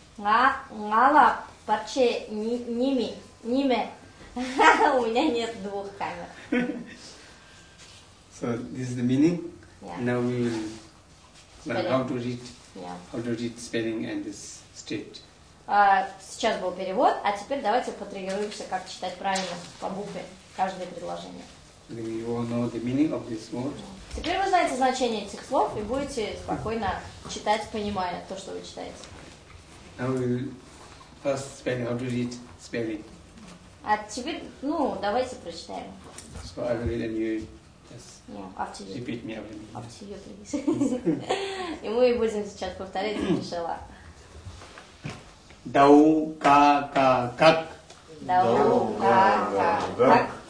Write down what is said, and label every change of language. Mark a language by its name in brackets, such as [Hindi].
[Russian] На Ла. Парче ними, ними. У меня нет двух камер. [English] So this is the meaning. Yeah. Now we will learn how to read, how to read spelling and this state. [Russian] Сейчас был перевод, а теперь давайте потренируемся, как читать правильно по букве каждое предложение. [English] Then you all know the meaning of this word. [Russian] Теперь вы знаете значение этих слов и будете спокойно читать, понимая то, что вы читаете. [English] Now we will first spelling, how to read spelling. [Russian] А теперь, ну, давайте прочитаем. [English] So I will read and you just after you. Repeat me after me. After you, please. [Russian] И мы будем сейчас повторять, Гешела. Дау, ка, ка, как. Дау, ка, ка, как.